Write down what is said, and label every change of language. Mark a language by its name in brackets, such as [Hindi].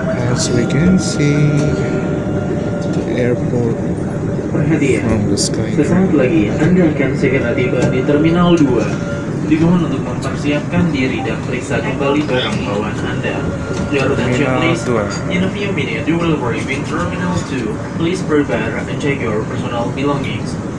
[English] As we can see, the airport from the sky. [Indonesian] Sesaat lagi, Anda akan segera tiba di Terminal 2. Dimohon untuk mempersiapkan diri dan periksa kembali barang bawaan Anda. Terminal 2. [English] In a few minutes, you will arrive in Terminal 2. Please prepare and check your personal belongings.